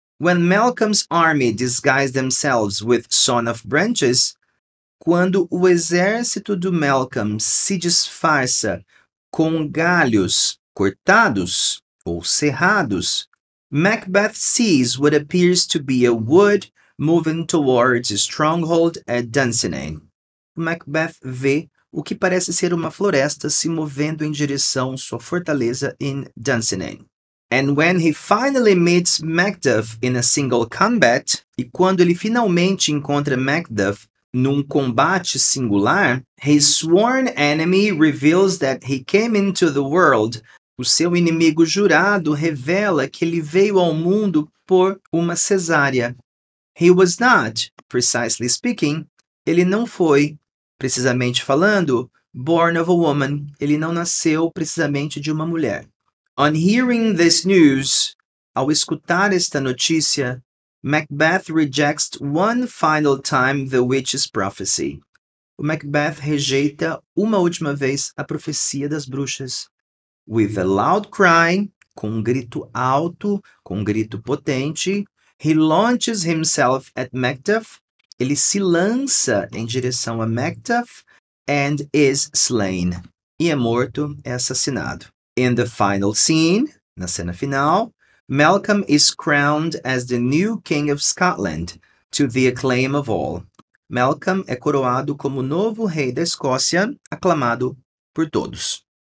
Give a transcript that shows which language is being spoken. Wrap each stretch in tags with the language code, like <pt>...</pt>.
<en>When Malcolm's army disguise themselves with Son of Branches,</en> <pt>quando o exército do Malcolm se disfarça com galhos cortados ou serrados,</pt> <en>Macbeth sees what appears to be a wood moving towards a stronghold at Dunsinane.</en> <pt>Macbeth vê o que parece ser uma floresta se movendo em direção sua fortaleza em Dunsinane.</pt> <en>And when he finally meets Macduff in a single combat,</en> <pt>e quando ele finalmente encontra Macduff num combate singular,</pt> <en>his sworn enemy reveals that he came into the world.</en> <pt>O seu inimigo jurado revela que ele veio ao mundo por uma cesárea.</pt> <en>He was not, precisely speaking,</en> <pt>ele não foi, precisamente falando,</pt> <en>born of a woman.</en> <pt>Ele não nasceu precisamente de uma mulher.</pt> <en>On hearing this news,</en> <pt>ao escutar esta notícia,</pt> <en>Macbeth rejects one final time the witch's prophecy.</en> <pt>O Macbeth rejeita uma última vez a profecia das bruxas.</pt> <en>With a loud cry,</en> <pt>com um grito alto, com um grito potente,</pt> <en>he launches himself at Macduff.</en> <pt>Ele se lança em direção a Macduff</pt> <en>and is slain.</en> <pt>E é morto, é assassinado.</pt> <en>In the final scene,</en> <pt>na cena final,</pt> <en>Malcolm is crowned as the new King of Scotland, to the acclaim of all.</en> <pt>Malcolm é coroado como novo rei da Escócia, aclamado por todos.</pt>